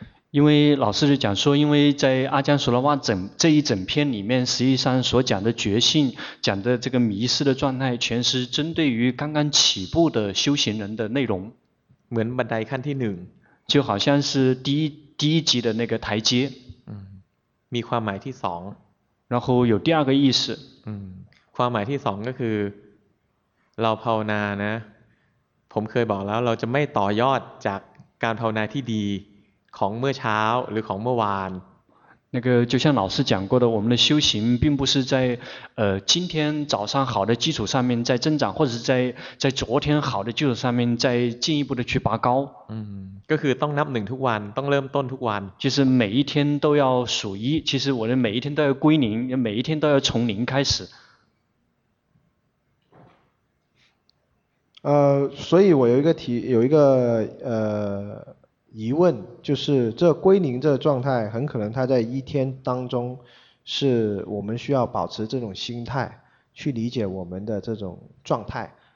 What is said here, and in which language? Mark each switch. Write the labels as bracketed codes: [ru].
[zh] 因为老师就讲说，因为在阿姜索罗旺整这一整篇里面，实际上所讲的觉性，讲的这个迷失的状态，全是针对于刚刚起步的修行人的内容。 [th] เหมือนบันไดขั้นที่หนึ่ง [zh] 就好像是第一级的那个台阶。 [th] มีความหมายที่สอง [zh] 然后有第二个意思。 [th] ความหมายที่สองก็คือเราภาวนานะผมเคยบอกแล้วเราจะไม่ต่อยอดจากการภาวนาที่ดีของเมื่อเช้าหรือของเมื่อวาน [zh] 那个就像老师讲过的，我们的修行并不是在今天早上好的基础上面在增长，或者是在昨天好的基础上面再进一步的去拔高。 [th] ก็คือต้องนับหนึ่งทุกวันต้องเริ่มต้นทุกวัน [zh] 就是每一天都要数一，其实我的每一天都要归零，每一天都要从零开始。所以我有一个疑问，就是这归零这状态，很可能它在一天当中，是我们需要保持这种心态去理解我们的这种状态。